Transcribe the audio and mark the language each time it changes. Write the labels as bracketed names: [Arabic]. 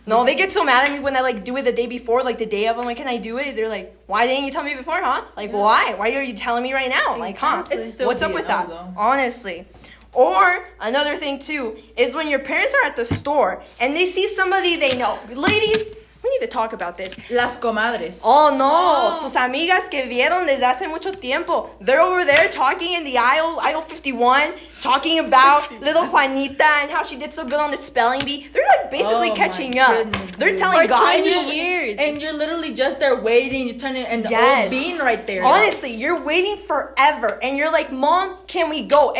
[English] No, they get so mad at me when I do it the day before, the day of. I'm like, can I do it? They're like, why didn't you tell me before, huh? Why are you telling me right now? It's still what's up with that? Though. Honestly. Or another thing too is when your parents are at the store and they see somebody they know. Ladies, we need to talk about this. [Spanish] Las comadres. [English] Oh no. Oh. [Spanish] Sus amigas que vieron desde hace mucho tiempo. [English] They're over there talking in the aisle 51, talking about little Juanita and how she did so good on the spelling bee. They're basically catching up. Goodness. They're telling for God. 20 years. And you're literally just there waiting. You turn it and the old bean right there. Honestly, you're waiting forever. And you're like, Mom, can we go?